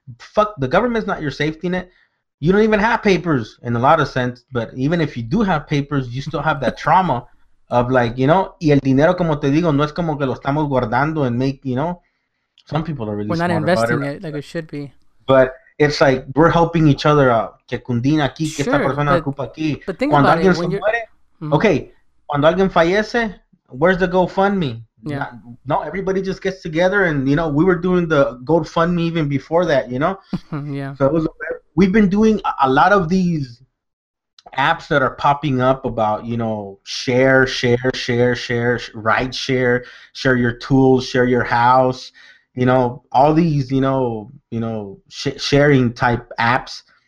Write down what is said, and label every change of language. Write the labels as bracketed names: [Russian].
[English] Fuck, the government's not your safety net. You don't even have papers in a lot of sense. But even if you do have papers, you still have that trauma. Of like, you know, y el dinero, como te digo, no es como que lo estamos guardando and make, you know, some people are really smart about it. We're not investing it like it should be. But it's like, we're helping each other out. [Spanish] Que cundina aquí, que esta persona ocupa aquí. [English] But think about it. Okay, cuando alguien fallece, where's the GoFundMe? Yeah. No, everybody just gets together and, you know, we were doing the GoFundMe even before that, you know? Yeah. So it was, we've been doing a lot of these apps that are popping up about, you know, share, ride share, share your tools, share your house, you know, all these, you know, sharing type apps.